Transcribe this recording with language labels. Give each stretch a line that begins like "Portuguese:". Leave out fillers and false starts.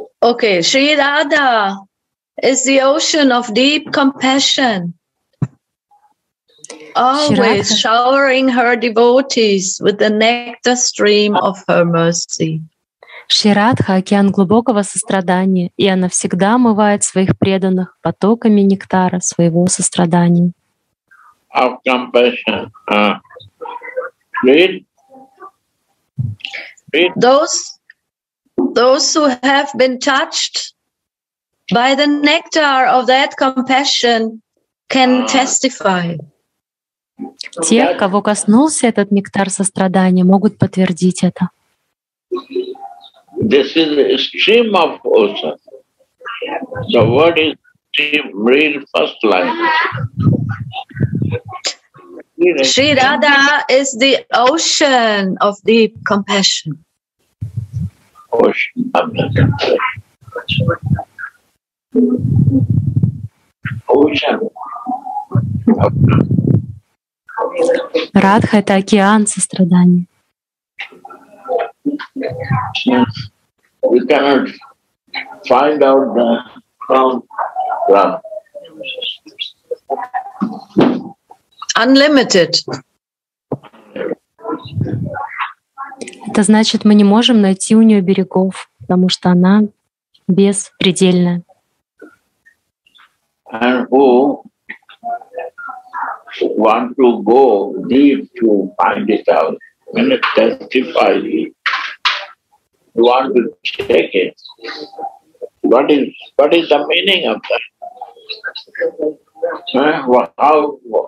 English: Okay, Sri Radha is the ocean of deep compassion. Always showering her devotees with the nectar stream of her mercy.
Russian: Шри Радха — океан глубокого сострадания, и она всегда омывает своих преданных потоками нектара своего сострадания.
English: Of compassion. Read. Those who have been touched by the nectar of that compassion can testify.
Russian: Те, кого коснулся этот нектар сострадания, могут подтвердить это.
English: This is a stream of ocean. So what is stream? Read first line. Shri Radha is the ocean of deep compassion. Ocean of deep compassion. Ocean.
Russian: Радха — это океан сострадания.
English: We cannot find out the from unlimited.
Russian: Это значит, мы не можем найти у нее берегов, потому что она беспредельная.
English: And who want to go deep to find it out, when it testifies, you want to check it. What is the meaning of that?